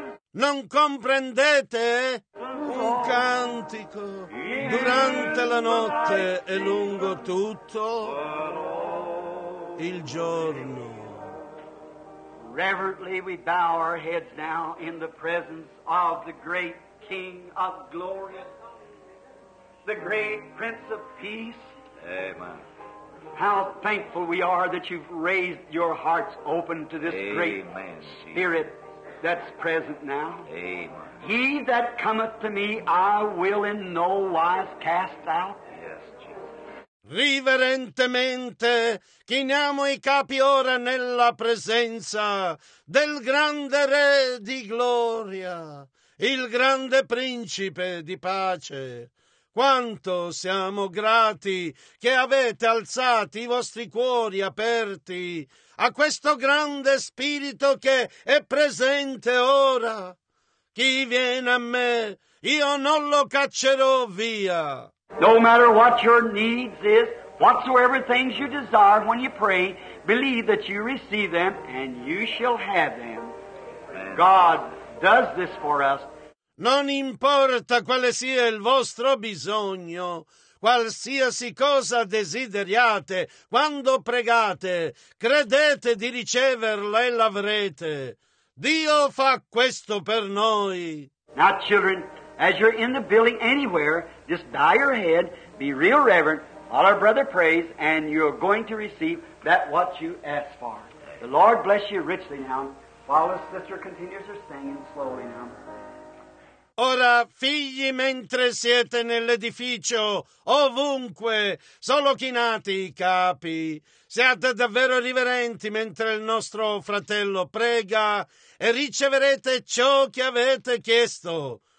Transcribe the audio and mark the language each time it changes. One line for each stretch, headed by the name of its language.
Italian: Non comprendete? Un cantico durante la notte e lungo tutto il giorno.
English: Reverently we bow our heads now in the presence of the great King of glory, the great Prince of Peace. Amen. How thankful we are that you've raised your hearts open to this Amen, great Jesus. Spirit that's present now. Amen. He that cometh to me, I will in no wise cast out.
Italian: Riverentemente chiniamo i capi ora nella presenza del grande Re di gloria, il grande Principe di pace. Quanto siamo grati che avete alzati i vostri cuori aperti a questo grande Spirito che è presente ora. Chi viene a me, io non lo caccerò via.
English: No matter what your needs is, whatsoever things you desire when you pray, believe that you receive them and you shall have them. Amen. God does this for us.
Italian: Non importa quale sia il vostro bisogno, qualsiasi cosa desideriate, quando pregate, credete di riceverla e l'avrete. Dio fa questo per noi.
English: Now, children, as you're in the building anywhere, just bow your head, be real reverent, while our brother prays, and you're going to receive that what you ask for. The Lord bless you richly now, while the sister continues her singing slowly now.
Italian: Ora, figli, mentre siete nell'edificio, ovunque, solo chinati i capi, siate davvero riverenti mentre il nostro fratello prega e riceverete ciò che avete chiesto.